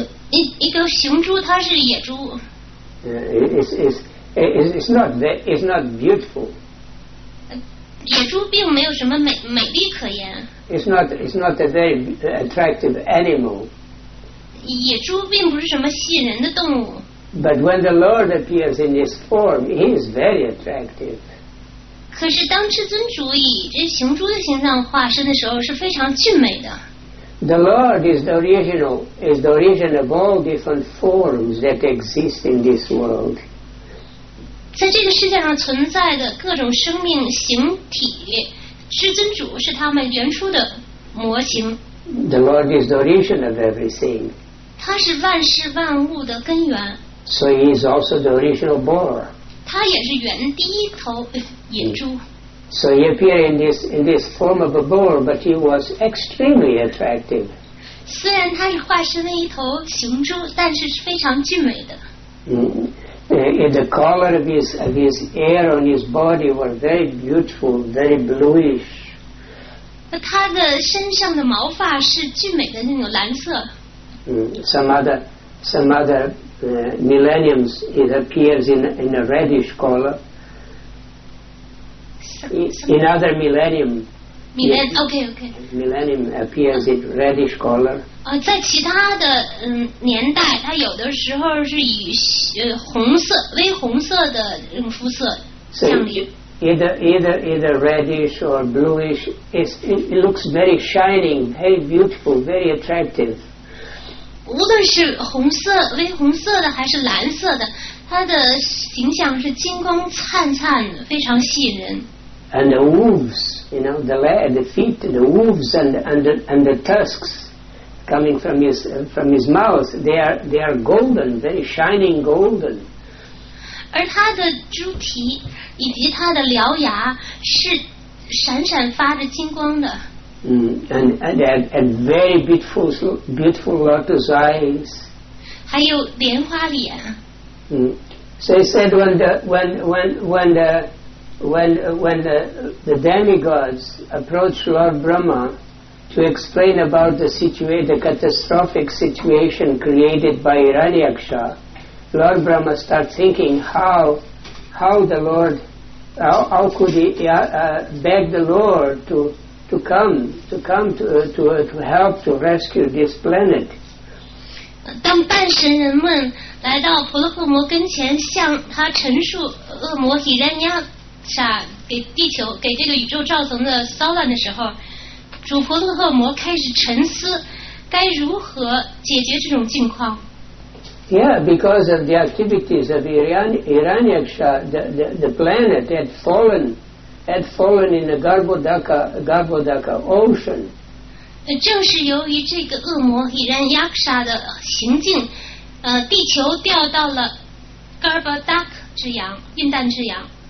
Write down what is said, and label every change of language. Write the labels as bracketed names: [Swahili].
[Chinese] 一个雄猪它是野猪。 [English] It's not beautiful. [Chinese] 野猪并没有什么美丽可言。 [English] It's not a very attractive animal. [Chinese] 野猪并不是什么吸引人的动物。 [English] But when the Lord appears in his form, he is very attractive. [Chinese] 可是当至尊主以这雄猪的形象化身的时候，是非常俊美的。 [English] The Lord is the origin of all different forms that exist in this world. [Chinese] 在这个世界上存在的各种生命形体，至尊主是他们原初的模型。 [English] The Lord is the origin of everything. [Chinese] 他是万事万物的根源。 [English] So he is also the original boar. [Chinese] 他也是原第一头野猪。 [English] So he appeared in this form of a boar, but he was extremely attractive. [Chinese] 虽然他是化身了一头雄猪，但是是非常俊美的。 [English] The color of his hair on his body were very beautiful, very bluish. [Chinese] 他的身上的毛发是俊美的那种蓝色。 [English] Some other millenniums, it appears in a reddish color. In other millennium. Millennium appears in reddish color. [Chinese] 在其他的年代，它有的时候是以红色、微红色的肤色降临。 [English] So either reddish or bluish, it looks very shining, very beautiful, very attractive. [Chinese] 无论是红色、微红色的还是蓝色的，它的形象是金光灿灿的，非常吸引人。 [English] And the hooves, you know, the feet, the hooves and the tusks coming from his mouth, they are golden, very shining golden. [Chinese] 而他的猪蹄以及他的獠牙是闪闪发着金光的。 [English] And very beautiful, beautiful lotus eyes. [Chinese] 还有莲花脸。 [English] So he said when the demigods approached Lord Brahma to explain about the catastrophic situation created by Hiranyaksha, Lord Brahma starts thinking how could he beg the Lord to help to rescue this planet. [Chinese] 当半神人们来到婆罗门跟前，向他陈述恶魔提丹尼亚给地球给这个宇宙造成的骚乱的时候，主婆罗诃摩开始沉思该如何解决这种境况。 [English] Yeah, because of the activities of Hiranyaksha, the planet had fallen in the Garbhodaka ocean. [Chinese] 正是由于这个恶魔 Hiranyaksha 的行径，地球掉到了 Garbhodaka 之洋，印旦之洋。